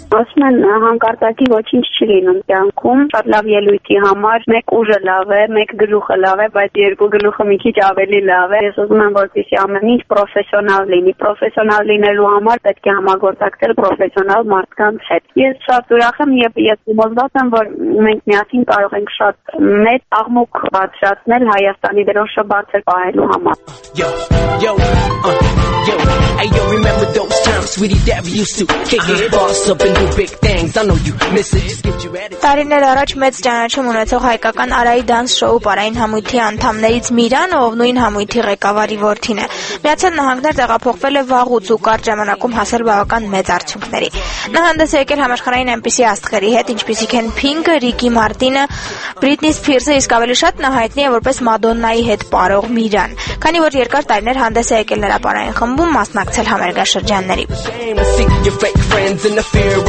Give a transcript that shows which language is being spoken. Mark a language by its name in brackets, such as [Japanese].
[Armenian] Ասում են, հանկարծակի ոչինչ չի լինում կյանքում, շատ լավ ելույթի համար մեկ ուժը լավ է, մեկ գլուխը լավ է, բայց երկու գլուխը մի քիչ ավելի լավ է։ Ես ուզում եմ, որպեսզի ամեն ինչ պրոֆեսիոնալ լինի, պրոֆեսիոնալ լինելու համար պետք է համագործակցել պրոֆեսիոնալ մարդկանց հետ։ Ես շատ ուրախ եմ և ես համոզված եմ, որ մենք միասին կարող ենք շատ մեծ աղմուկ բարձրացնել Հայաստանի դրոշը բարձր պահելու համար։ [English] Yo, remember those times, sweetie, that we used to kick it, boss up and do big things. I know you miss it, just get you ready. [Armenian] Տարիներ առաջ մեծ ճանաչում ունեցող հայկական Արայի Dance Show-ը Պարային համույթի անդամներից Միրան, ով նույն համույթի ղեկավարի որդին է, Միացյալ Նահանգներ տեղափոխվել է վաղուց ու կարճ ժամանակում հասել բավական մեծ արդյունքների։ Նահանգներ եկել համաշխարհային այնպիսի աստղերի հետ, ինչպիսիք են Pink-ը, Ricky Martin-ը, Britney Spears-ը, իսկ ավելի շատ նա հայտնի է որպես Madonna-ի հետ պարող Միրան, քանի որ երկար տարիներ հանդես է եկել նրա Պարային խմբում մասնակցել համերգաշրջանների։